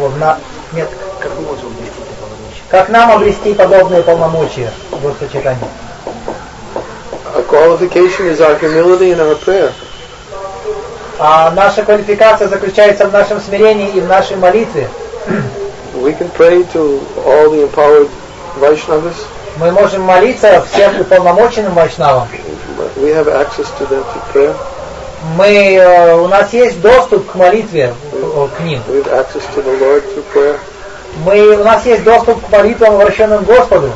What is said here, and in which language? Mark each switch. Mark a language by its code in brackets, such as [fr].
[ru] Как мы можем обрести эти полномочия? Как нам обрести подобные полномочия Господа Чайтани? [en] Qualification is our humility and our prayer. [ru] А наша квалификация заключается в нашем смирении и в нашей молитве. [en] We can pray to all the empowered Vaishnavas. [ru] Мы можем молиться всем уполномоченным Вайшнавам. [en] We have access to them to prayer. [ru] Мы, у нас есть доступ к молитве к ним. [en] We have access to the Lord through prayer. [ru] Мы, у нас есть доступ к молитвам, обращенным к Господу.